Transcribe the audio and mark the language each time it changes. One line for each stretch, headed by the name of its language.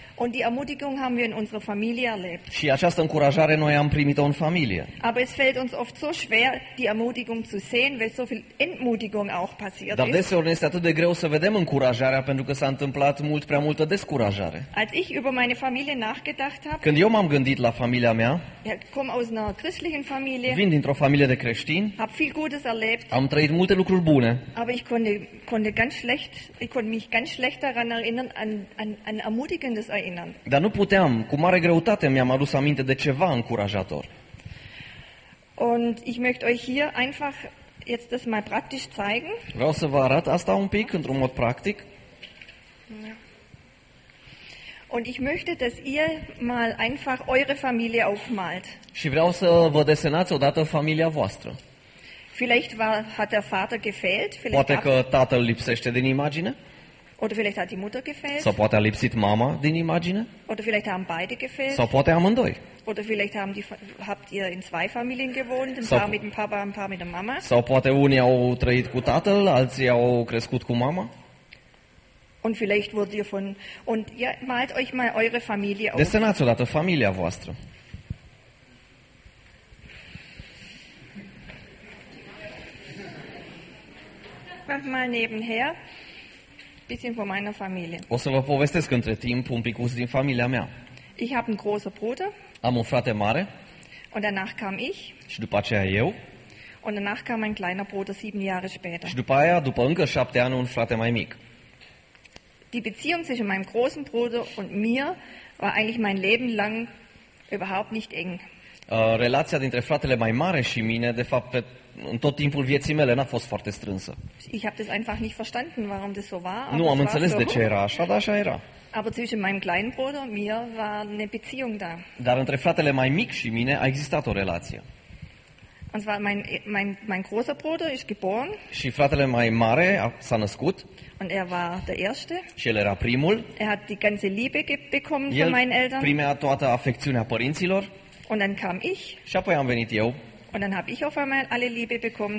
German: Und die Ermutigung haben wir in unserer Familie erlebt.
Romanian: Și această încurajare noi am primit-o în familie.
German: Aber es fällt uns oft so schwer, die Ermutigung zu sehen, weil so viel Entmutigung auch passiert ist.
Romanian: Dar deseori ne este atât de greu să vedem încurajarea pentru că s-a întâmplat mult prea multă descurajare.
German: Als ich über meine Familie nachgedacht habe.
Romanian: Când eu m-am gândit la familia mea.
German: Ja, komm aus einer christlichen Familie.
Romanian: Vin dintr-o familie de creștini.
German: Hab viel Gutes erlebt.
Romanian: Am trăit multe lucruri bune.
German: Aber ich konnte ganz schlecht, ich konnte mich ganz schlecht daran erinnern an ermutigendes.
Romanian: Dar nu puteam, cu mare greutate mi-am adus aminte de ceva încurajator.
German: Und ich möchte euch hier einfach jetzt das mal praktisch zeigen.
Romanian: Vreau să vă arăt asta un pic într-un mod practic.
German: Und ich möchte, dass ihr mal einfach eure Familie aufmalt.
Romanian: Și vreau să vă desenați odată familia voastră.
German: Vielleicht war hat der Vater gefehlt, vielleicht
Romanian: poate că tatăl lipsește din imagine?
German: Oder vielleicht hat die Mutter gefehlt?
Romanian: Sau poate a lipsit mama din imagine?
German: Oder vielleicht haben beide gefehlt?
Romanian: Sau poate amândoi?
German: Oder vielleicht haben die habt ihr in zwei Familien gewohnt, ein paar mit dem Papa, ein paar mit der Mama?
Romanian: Sau poate unii au trăit cu tatăl, alții au crescut cu mama?
German: Und vielleicht wurde ihr von und ihr malt euch mal eure Familie auf.
Romanian: Desenați-o dată familia voastră.
German: Mal nebenher bisschen von meiner Familie.
Romanian: O să vă povestesc între timp un picuț din familia mea.
German: Ich habe einen großen Bruder.
Romanian: Am un frate mare.
German: Und danach kam ich.
Romanian: Și după aceea eu.
German: Und danach kam ein kleiner Bruder 7 Jahre später.
Romanian: Și după aia, după încă 7 ani, un frate mai mic.
German: Die Beziehung zwischen meinem großen Bruder und mir war eigentlich mein Leben lang überhaupt nicht eng.
Romanian: Relația dintre fratele mai mare și mine, de fapt, în tot timpul vieții mele n-a fost foarte strânsă.
German: Ich habe das einfach nicht verstanden, warum das so war.
Romanian: Nu am înțeles de ce era așa, dar așa era.
German: Aber zwischen meinem kleinen Bruder und mir war eine Beziehung da.
Romanian: Dar între fratele mai mic și mine a existat o relație.
German: Und zwar mein großer Bruder ist geboren.
Romanian: Și fratele mai mare s-a născut.
German: Und er war der erste.
Romanian: Și el era primul.
German: Er hat die ganze Liebe bekommen von meinen Eltern.
Romanian: El primea toată afecțiunea părinților.
German: Und dann kam ich.
Romanian: Și apoi am venit eu.
German: Und dann habe ich auf einmal alle Liebe bekommen.